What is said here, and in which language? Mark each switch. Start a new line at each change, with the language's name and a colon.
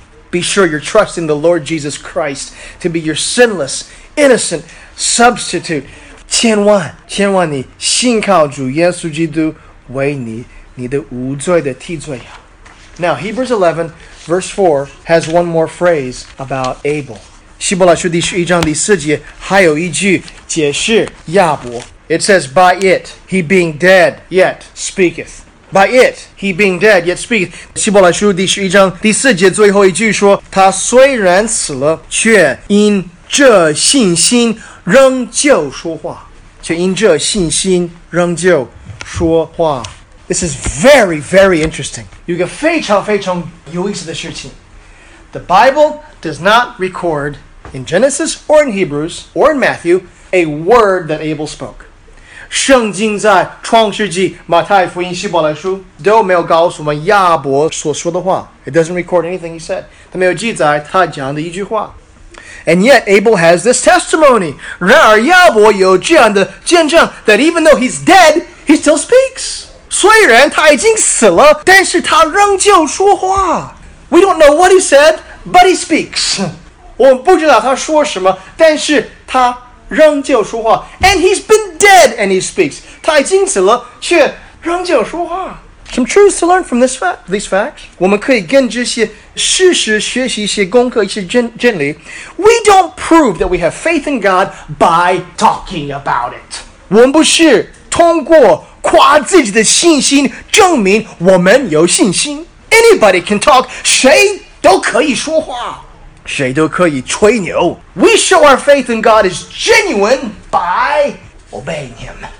English: Be sure you're trusting the Lord Jesus Christ to be your sinless, innocent substitute.
Chinese: 千万千万你信靠主耶稣基督为你你的无罪的替罪羊。
English: Now, Hebrews 11, verse 4 has one more phrase about Abel.
Chinese: 希伯来书第十一章第四节还有一句解释亚伯。
English: It says, by it, he being dead, yet speaketh. By it, he being dead, yet speaketh.
Chinese: 希伯来书第十一章第四节最后一句说，他虽然死了，却因这信心仍旧说话。却因这信心仍旧说话。
English: This is very, very interesting.
Chinese: 有一个非常非常有意思的事情。
English: The Bible does not record in Genesis or in Hebrews or in Matthew a word that Abel spoke.
Chinese: 圣经在创世纪、马太福音、希伯来书都没有告诉我们亚伯所说的话。
English: It doesn't record anything he said.
Chinese: 他没有记载他讲的一句话。
English: And yet Abel has this testimony.
Chinese: 然而亚伯有这样的见证
English: that even though he's dead, he still speaks.
Chinese: 虽然他已经死了但是他仍旧说话。
English: We don't know what he said, but he speaks.
Chinese: 我们不知道他说什么但是他仍旧说话。
English: And he's been dead and he speaks.
Chinese: 他已经死了却仍旧说话。
English: Some truths to learn from this fact, these facts.
Chinese: 我们可以跟这些事实学习一些功课一些真理。
English: We don't prove that we have faith in God by talking about it.
Chinese: 我们不是通过夸自己的信心证明我们有信心。
English: Anybody can talk,
Chinese: 谁都可以说话。谁都可以吹牛。
English: We show our faith in God is genuine by obeying Him.